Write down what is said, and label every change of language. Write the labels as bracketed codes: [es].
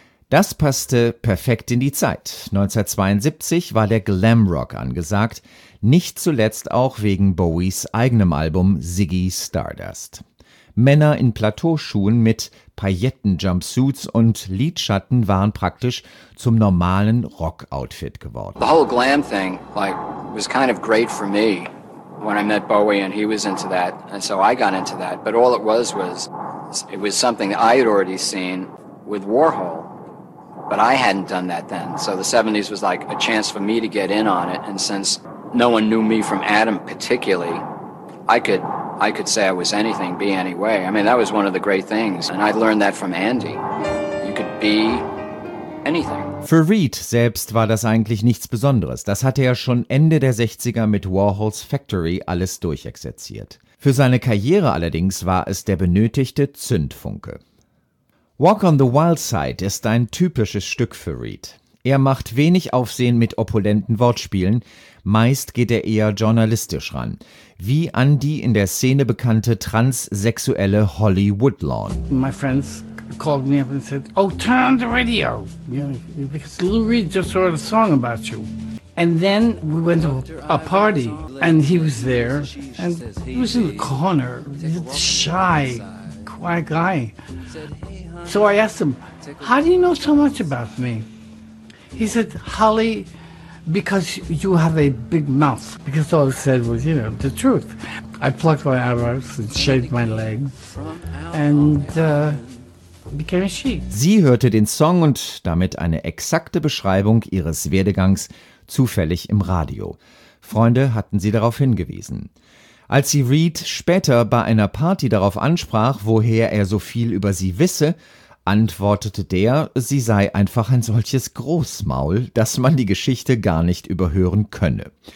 [de] Das passte perfekt in die Zeit. 1972 war der Glamrock angesagt, nicht zuletzt auch wegen Bowies eigenem Album Ziggy Stardust. Männer in Plateauschuhen mit Paillettenjumpsuits und Lidschatten waren praktisch zum normalen Rockoutfit geworden. [en] The whole glam thing, like, was kind of great for me when I met Bowie and he was into that, and so I got into that. But all it was something that I had already seen with Warhol, but I hadn't done that then. So the 70s was like a chance for me to get in on it, and since no one knew me from Adam particularly, I could say I was anything, be any way. I mean, that was one of the great things. And I learned that from Andy. You could be anything. [de] Für Reed selbst war das eigentlich nichts Besonderes. Das hatte er schon Ende der 60er mit Warhols Factory alles durchexerziert. Für seine Karriere allerdings war es der benötigte Zündfunke. Walk on the Wild Side ist ein typisches Stück für Reed. Er macht wenig Aufsehen mit opulenten Wortspielen, meist geht er eher journalistisch ran, wie an die in der Szene bekannte transsexuelle Holly Woodlawn. [en] My friends called me up and said, oh, turn on the radio, you know, because Lou Reed just wrote a song about you. And then we went to a party, and he was there, and he was in the corner, shy, quiet guy. So I asked him, how do you know so much about me? He said, Holly, because you have a big mouth. Because all I said was, you know, the truth. I plucked my eyebrows and shaved my legs and became a she. [de] Sie hörte den Song und damit eine exakte Beschreibung ihres Werdegangs zufällig im Radio. Freunde hatten sie darauf hingewiesen. Als sie Reed später bei einer Party darauf ansprach, woher er so viel über sie wisse, antwortete der, sie sei einfach ein solches Großmaul, dass man die Geschichte gar nicht überhören könne.